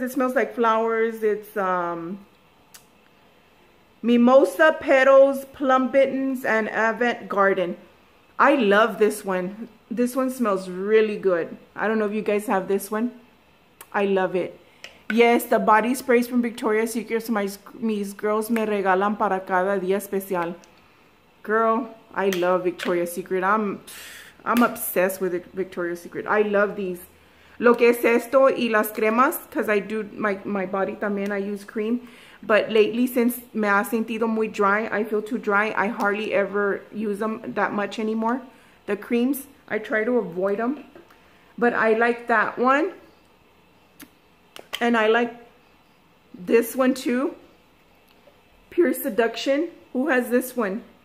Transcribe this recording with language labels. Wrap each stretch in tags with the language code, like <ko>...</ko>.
<en>It smells like flowers. It's mimosa petals, plum bittens, and avant garden. I love this one. This one smells really good. I don't know if you guys have this one. I love it. Yes, the body sprays from Victoria's Secret.</en> <es>Mis girls me regalan para cada día especial.</es> <en>Girl. I love Victoria's Secret. I'm obsessed with Victoria's Secret. I love these.</en> <es>Lo que es esto y las cremas,</es> <en>because I do my body también, I use cream. But lately, since</en> <es>me ha sentido muy</es> <en>dry, I feel too dry. I hardly ever use them that much anymore. The creams, I try to avoid them. But I like that one. And I like this one too. Pure Seduction. Who has this one?</en>